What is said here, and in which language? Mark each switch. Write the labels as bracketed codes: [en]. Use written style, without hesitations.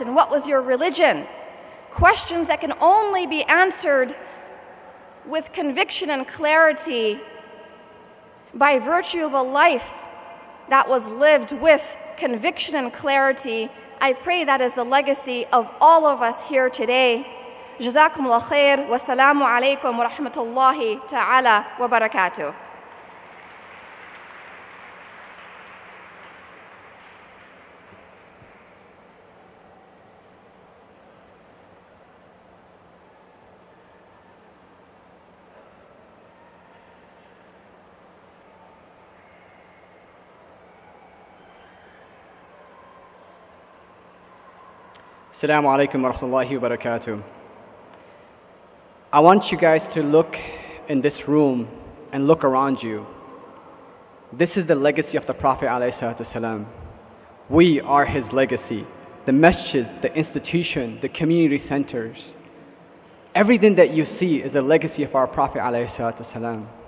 [en] And what was your religion? Questions that can only be answered with conviction and clarity by virtue of a life that was lived with conviction and clarity. I pray that is the legacy of all of us here today. [ar] جزاكم الله خير والسلام عليكم ورحمة الله تعالى وبركاته. السلام عليكم ورحمة الله وبركاته. [en] I want you guys to look in this room and look around you. This is the legacy of the Prophet [ar] alayhi salatu wasalam. [en] We are his legacy. The masjid, the institution, the community centers, Everything that you see is a legacy of our Prophet ﷺ.